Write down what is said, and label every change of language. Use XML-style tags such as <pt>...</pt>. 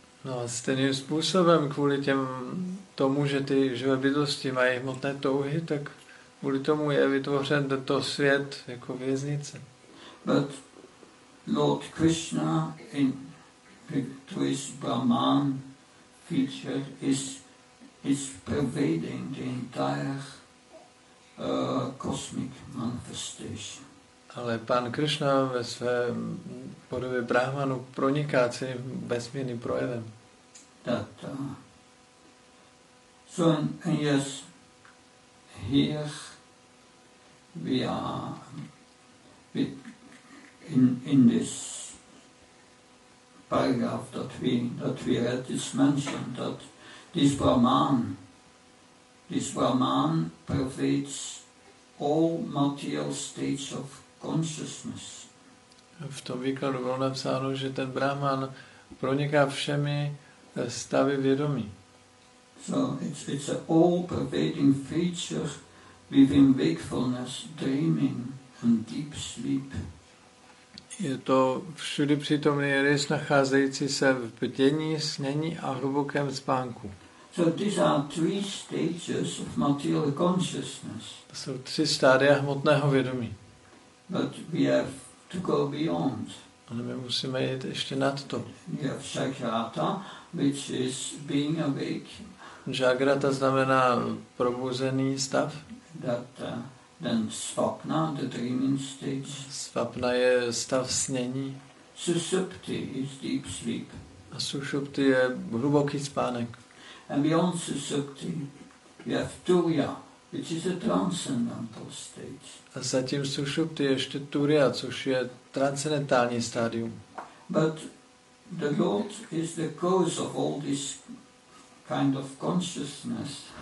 <cs>No a stejným způsobem kvůli těm tomu, že ty živé bytosti mají hmotné touhy, tak kvůli tomu je vytvořen tento svět jako věznice.</cs> <en>But Lord Krishna, in to his Brahman feature, is pervading the entire cosmic manifestation.</en> <cs>Ale pan Krishna ve své podobě Brahmanu proniká celým vesmírným projevem.</cs> <en>That, so and yes, here we are with in this paragraph that we read is mentioned that this Brahman pervades all material states of consciousness.</en> <cs>V tom výkladu bylo napsáno, že ten Brahman proniká všemi stavy vědomí.</cs> <en>So it's an all pervading feature within wakefulness, dreaming and deep sleep.</en> <cs>Je to všudy přítomný rys nacházející se v bdění, snění a hlubokém spánku.</cs> <en>So these are three stages of material consciousness.</en> <cs>To jsou tři stádia hmotného vědomí.</cs> <en>But we have to go beyond.</en> <cs>Ale my musíme jít ještě nad to.</cs> <en>We have shakrata, which is being awake.</en> <cs>Jagrata znamená probuzený stav.</cs> <en>That, then svapna, the dreaming stage.</en> <cs>Svapna je stav snění.</cs> <en>Susupti is deep sleep.</en> <cs>A susupti je hluboký spánek.</cs> <en>And beyond susupti, we have turiya, which is a transcendental stage.</en> <cs>A zatím susupti je ještě turiya, což je transcendentální stádium.</cs> <en>But the Lord is the cause of all this kind of consciousness.</en>